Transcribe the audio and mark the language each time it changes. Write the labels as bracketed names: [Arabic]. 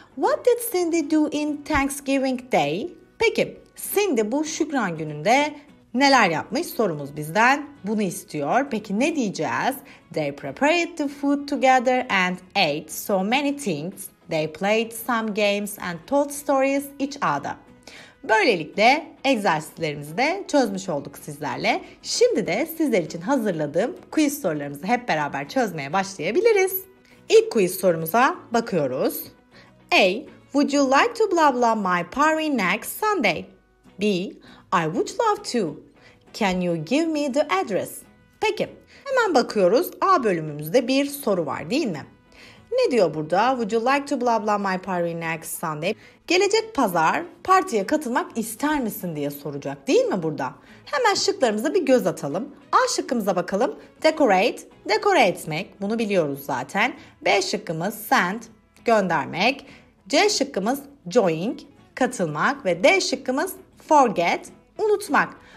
[English] What did Cindy do in Thanksgiving Day? [Turkish] Peki Cindy bu şükran gününde neler yapmış? Sorumuz bizden bunu istiyor. Peki ne diyeceğiz? [English] They prepared the food together and ate so many things. They played some games and told stories each other. [Turkish] Böylelikle egzersizlerimizi de çözmüş olduk sizlerle. Şimdi de sizler için hazırladığım quiz sorularımızı hep beraber çözmeye başlayabiliriz. İlk quiz sorumuza bakıyoruz. A. [English] Would you like to blah blah my party next Sunday? B. I would love to. Can you give me the address? [Turkish] Peki, hemen bakıyoruz. A bölümümüzde bir soru var değil mi? Ne diyor burada? [English] Would you like to blah blah my party next Sunday? [Turkish] Gelecek pazar partiye katılmak ister misin diye soracak değil mi burada? Hemen şıklarımıza bir göz atalım. A şıkkımıza bakalım. Decorate, dekore etmek. Bunu biliyoruz zaten. B şıkkımız send, göndermek. C şıkkımız join, katılmak. Ve D şıkkımız forget, unutmak.